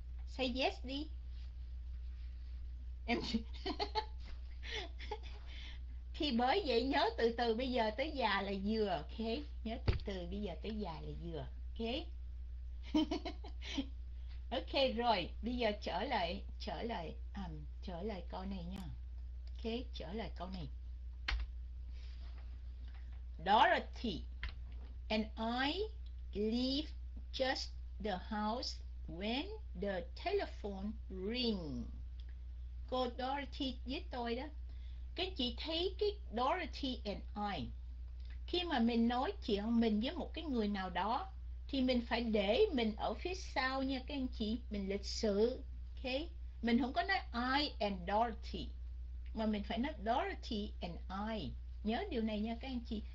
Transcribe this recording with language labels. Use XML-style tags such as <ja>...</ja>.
<en>Say yes</en> <vi>đi. Em thì bởi vậy nhớ từ từ bây giờ tới già là vừa, ok? Nhớ từ từ bây giờ tới già là vừa, ok? Ok rồi, bây giờ trở lại câu này nha. Ok, trở lại câu này.</vi> <en>Dorothy and I leave just the house when the telephone ring.</en> <vi>Cô Dorothy với tôi đó. Các chị thấy cái</vi> <en>Dorothy and I,</en> <vi>khi mà mình nói chuyện mình với một cái người nào đó, thì mình phải để mình ở phía sau nha các anh chị, mình lịch sự, ok, mình không có nói</vi> <en>I and Dorothy</en> <vi>mà mình phải nói</vi> <en>Dorothy and I,</en> <vi>nhớ điều này nha các anh chị.</vi>